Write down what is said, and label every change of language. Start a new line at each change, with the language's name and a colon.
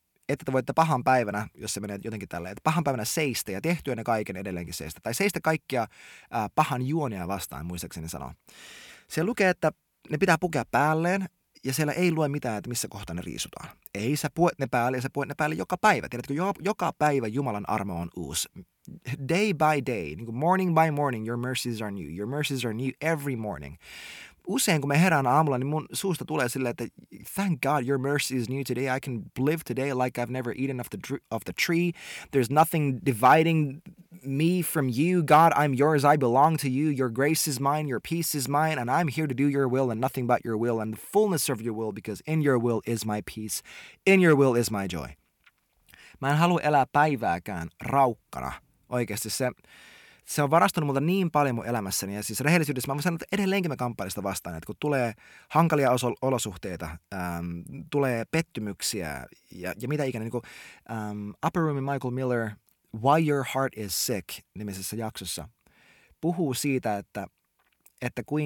Finnish: Että te voitte pahan päivänä, jos se menee jotenkin tälleen, että pahan päivänä seistä ja tehtyä ne kaiken edelleenkin seistä. Tai seistä kaikkia pahan juonia vastaan, muistaakseni sanoa. Se lukee, että ne pitää pukea päälleen ja siellä ei lue mitään, että missä kohtaa ne riisutaan. Ei, sä puet ne päälle ja sä puet ne päälle joka päivä. Tiedätkö, joka päivä Jumalan armo on uusi.
English: Day by day,
Finnish: niin kuin
English: morning by morning, your mercies are new. Your mercies are new every morning.
Finnish: Usein kun me herään aamulla, niin mun suusta tulee silleen, että
English: thank God your mercy is new today. I can live today like I've never eaten of the tree. There's nothing dividing me from you. God, I'm yours. I belong to you. Your grace is mine. Your peace is mine. And I'm here to do your will and nothing but your will and the fullness of your will because in your will is my peace. In your will is my joy.
Finnish: Mä en halua elää päivääkään raukkana. Oikeasti se on varastanut multa niin paljon mun elämässäni ja siis rehellisyydessä mä voin sanoa, että edelleenkin mä kamppailen sitä vastaan, että kun tulee hankalia olosuhteita, tulee pettymyksiä ja mitä ikinä, niin kuin Upper Roomin Michael Miller, Why Your Heart is Sick nimisessä jaksossa, puhuu siitä, että